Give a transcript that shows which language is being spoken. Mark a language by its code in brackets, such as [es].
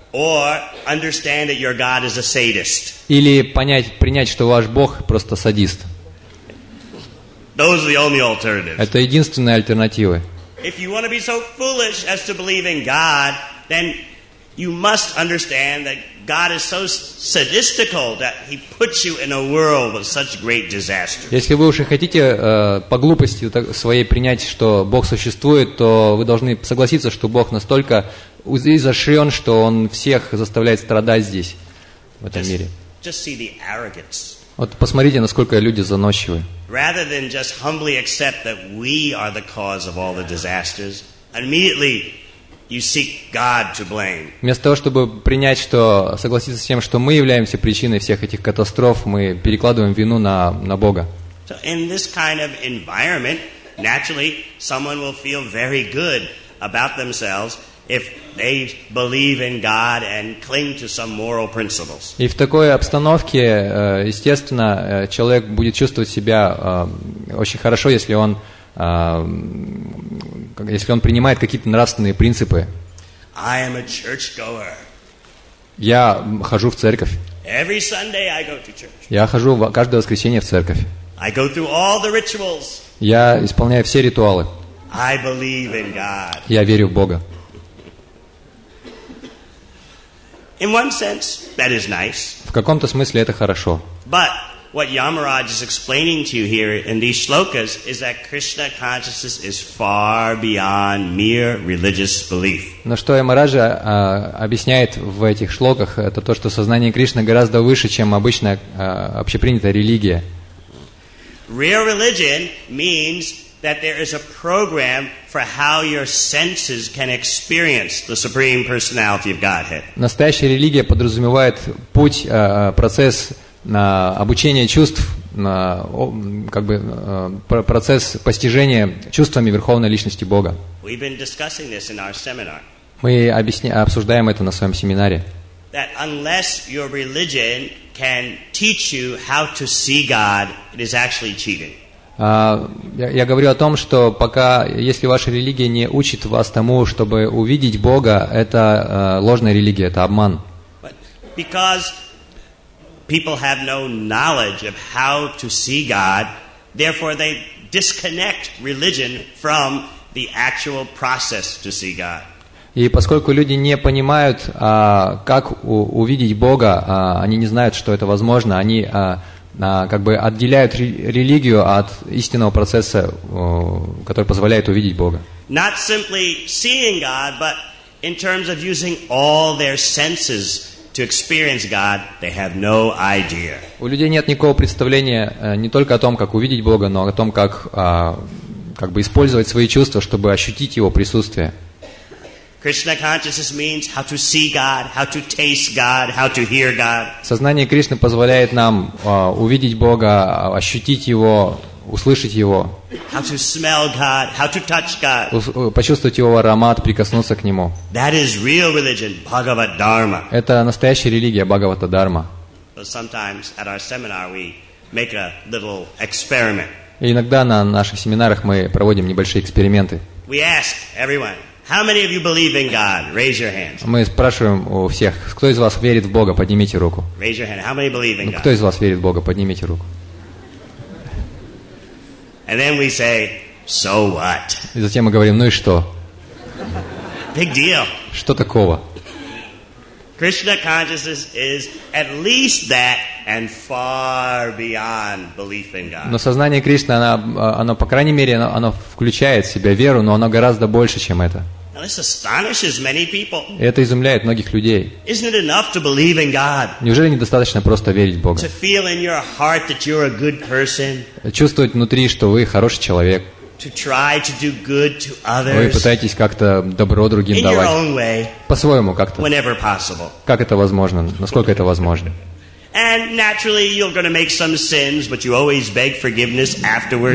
[en] Or understand that your God is a sadist. [ru] Или принять, что ваш Бог просто садист. [en] Those are the only alternatives. [ru] Это единственные альтернативы. [en] If you want to be so foolish as to believe in God, then you must understand that God is so sadistical that He puts you in a world with such great disaster. [ru] Если вы уже хотите по глупости своей принять, что Бог существует, то вы должны согласиться, что Бог настолько изощрен, что Он всех заставляет страдать здесь, в этом мире. [en] Just see the arrogance. [ru] Вот посмотрите, насколько люди заносчивы. [en] Rather than just humbly accept that we are the cause of all the disasters, immediately you seek God to blame. [ru] Вместо того, чтобы принять, что согласиться с тем, что мы являемся причиной всех этих катастроф, мы перекладываем вину на Бога. [en] So in this kind of environment, naturally, someone will feel very good about themselves if they believe in God and cling to some moral principles. [ru] И в такой обстановке, естественно, человек будет чувствовать себя очень хорошо, если он принимает какие-то нравственные принципы. [en] I am a churchgoer. [ru] Я хожу в церковь. [en] Every Sunday I go to church. [ru] Я хожу каждое воскресенье в церковь. [en] I go through all the rituals. [ru] Я исполняю все ритуалы. [en] I believe in God. [ru] Я верю в Бога. [en] In one sense, that is nice. [ru] В каком-то смысле это хорошо. [en] But what Yamaraj is explaining to you here in these shlokas is that Krishna consciousness is far beyond mere religious belief. [ru] Но что Ямараджа объясняет в этих шлоках, это то, что сознание Кришны гораздо выше, чем обычная общепринятая религия. [en] Real religion means that there is a program for how your senses can experience the Supreme Personality of Godhead. [ru] Настоящая религия подразумевает путь, процесс на обучение чувств, на как бы процесс постижения чувствами Верховной Личности Бога. [en] We've been discussing this in our seminar. [ru] Мы обсуждаем это на своем семинаре. [en] That unless your religion can teach you how to see God, it is actually cheating. [ru] Я говорю о том, что пока, если ваша религия не учит вас тому, чтобы увидеть Бога, это ложная религия, это обман. [en] But because people have no knowledge of how to see God, therefore they disconnect religion from the actual process to see God. [ru] И поскольку люди не понимают, как увидеть Бога, они не знают, что это возможно, они как бы отделяют религию от истинного процесса, который позволяет увидеть Бога. [en] Not simply seeing God, but in terms of using all their senses to experience God, they have no idea. [ru] У людей нет никакого представления не только о том, как увидеть Бога, но о том, как как бы использовать свои чувства, чтобы ощутить Его присутствие. [en] Krishna consciousness means how to see God, how to taste God, how to hear God. [ru] Сознание Кришны позволяет нам увидеть Бога, ощутить Его, услышать Его. [en] How to smell God, how to touch God. [ru] Почувствовать Его аромат, прикоснуться к Нему. [en] That is real religion, Bhagavad Dharma. [ru] Это настоящая религия, Бхагавата Дхарма. [en] Sometimes at our seminar we make a little experiment. [ru] Иногда на наших семинарах мы проводим небольшие эксперименты. [en] We ask everyone. How many of you believe in God? Raise your hands. [ru] Мы спрашиваем у всех, кто из вас верит в Бога, поднимите руку. [en] Raise your hand. How many believe in God? [ru] Кто из вас верит в Бога, поднимите руку. [en] And then we say, so what? [ru] И затем мы говорим, ну и что? [en] Big deal. [ru] Что такого? [en] Krishna consciousness is at least that and far beyond belief in God. [ru] Но сознание Кришны, оно по крайней мере, оно включает в себя веру, но оно гораздо больше, чем это. [en] Now, this astonishes many people. [ru] Это изумляет многих людей. [en] Isn't it enough to believe in God? [ru] Неужели недостаточно просто верить в Бога? [en] To feel in your heart that you're a good person. [ru] Чувствовать внутри, что вы хороший человек. [en] To try to do good to others. [ru] Вы пытаетесь как-то добро другим давать. [en] In your own way. [ru] По-своему как-то. [en] Whenever possible. [ru] Как это возможно? Насколько это возможно? [en] And naturally, you're going to make some sins, but you always beg forgiveness afterwards.